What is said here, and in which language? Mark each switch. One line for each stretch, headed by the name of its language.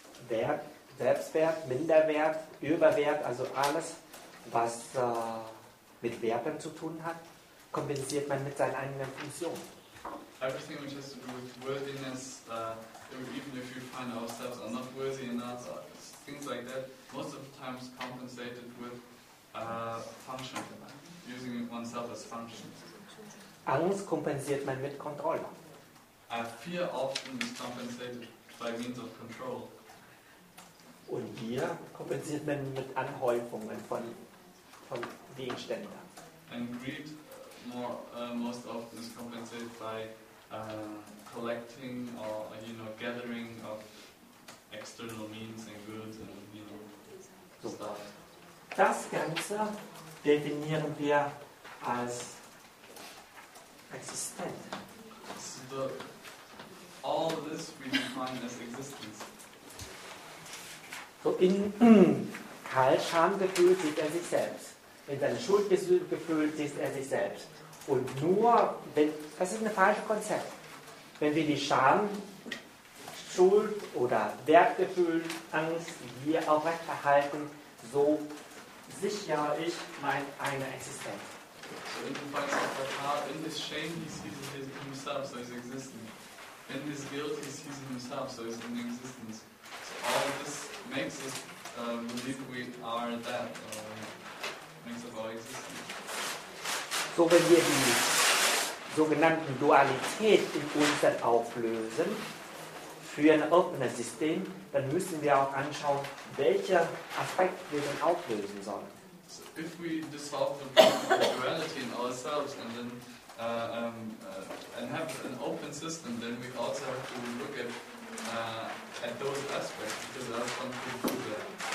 German: Wert, Selbstwert, Minderwert, Überwert, also alles, was mit Werten zu tun hat, kompensiert man mit seiner eigenen Funktion.
English: Everything which has to do with worthiness, even if you find ourselves are not worthy enough, or things like that, most of the time is compensated with function, using oneself as function.
German: Angst kompensiert man mit Kontrolle.
English: Fear often is compensated by means of control.
German: Und Gier kompensiert man mit Anhäufungen von Gegenständen.
English: And greed most often is compensated by collecting or gathering of external means and goods and stuff.
German: Das Ganze definieren wir als Existenz.
English: So all this we define as existence.
German: So in Karls Schamgefühl sieht er sich selbst. In seinem Schuldgefühl sieht er sich selbst. Und nur, wenn, das ist ein falsches Konzept. Wenn wir die Scham, Schuld oder Wertgefühl, Angst, Gier aufrecht erhalten, so sichere ich meine eigene Existenz. So in dem Fall ist der Karl,
English: in this shame he sees himself, so he's existing. In this guilt he sees himself, so he's in existence. So all of this makes us believe we are that, makes up our existence.
German: So, wenn wir die sogenannten Dualität in uns dann auflösen für ein offenes System, dann müssen wir auch anschauen, welcher Aspekt wir dann auflösen sollen.
English: So if we dissolve the duality in ourselves and then and have an open system, then we also have to look at those aspects, because that's one thing to do there.